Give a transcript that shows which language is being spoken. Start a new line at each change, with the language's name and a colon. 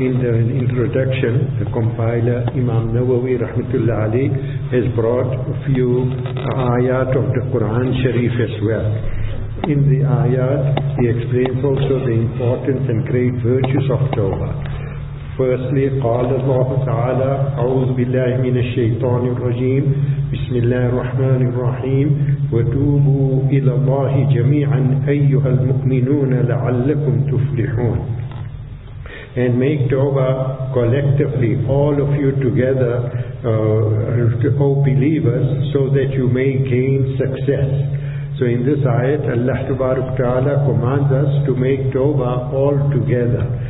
English: In the introduction, the compiler, Imam Nawawi rahmatullah alayhi, has brought a few ayat of the Quran Sharif as well. In the ayat, he explains also the importance and great virtues of Tawbah. Firstly,
Arabic: قال الله تعالى أعوذ بالله من الشيطان الرجيم بسم الله الرحمن الرحيم وتوبوا إلى الله جميعا أيها المؤمنون لعلكم تفلحون.
English: And make tawbah collectively, all of you together, O believers, so that you may gain success. So in this ayat, Allah Tabaruk Ta'ala commands us to make tawbah all together.